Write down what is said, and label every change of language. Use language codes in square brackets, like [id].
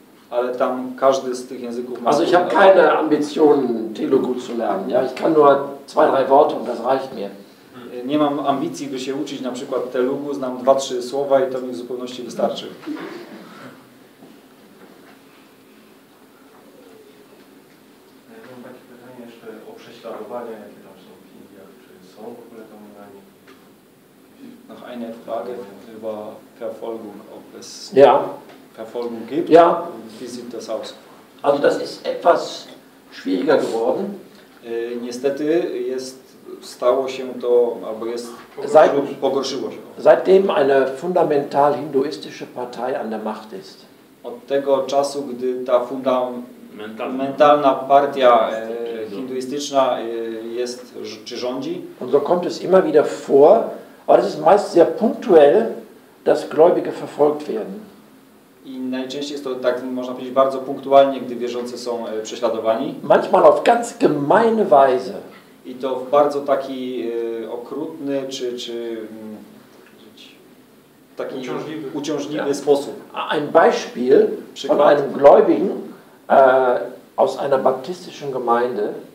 [pl] Ale tam każdy z tych języków ma. [de] Also ich habe keine Ambitionen Telugu zu lernen. Ja, ich kann nur zwei, drei Worte und das reicht mir. [pl] Nie mam ambicji, by się uczyć na przykład Telugu, znam 2-3 słowa i to mi w zupełności wystarczy. [de] Noch eine Frage über Verfolgung, ob es Verfolgung gibt. Ja. Wie sieht das aus? Also das ist etwas schwieriger geworden. [pl] Niestety jest, stało się to, albo jest, pogorszyło się. [de] Seitdem eine fundamental hinduistische Partei an der Macht ist. [pl] Od tego czasu, gdy ta fundamentalna partia hinduistyczna jest, czy rządzi. [de] Und so kommt es immer wieder vor, aber es ist meist sehr punktuell, dass Gläubige verfolgt werden. [pl] I najczęściej jest to tak, można powiedzieć, bardzo punktualnie, gdy wierzący są prześladowani. [de] Manchmal auf ganz gemeine Weise. [pl] I to w bardzo taki okrutny, czy taki uciążliwy sposób. [de] Ein Beispiel von einem Gläubigen aus einer baptistischen Gemeinde.